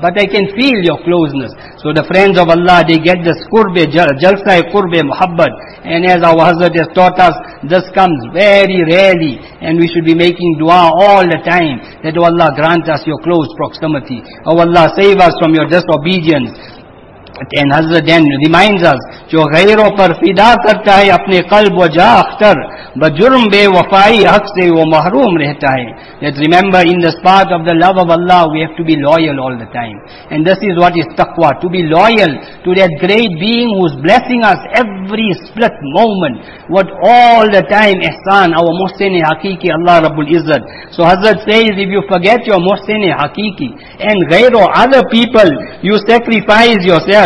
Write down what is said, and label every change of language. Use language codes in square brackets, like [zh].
[en] But I can feel your closeness. So the friends of Allah, they get this qurb-e jalsa-e qurb-e muhabbat. And as our Hazrat has taught us, this comes very rarely. And we should be making dua all the time. That, O Allah, grant us your close proximity. O Allah, save us from your disobedience. And Hazrat then reminds us, [ur] جو غیروں پر فدا کرتا ہے اپنے قلب و جا اختر بجرم بے وفائی حق سے وہ محروم رہتا ہے. [en] Let's remember, in this path of the love of Allah, we have to be loyal all the time. And this is what is taqwa, to be loyal to that great being who is blessing us every split moment. What all the time ihsan, our muhsin-e haqiqi, Allah Rabbul Izzat. So Hazrat says, if you forget your muhsin-e haqiqi and [ur] غیروں, [en] other people, you sacrifice yourself.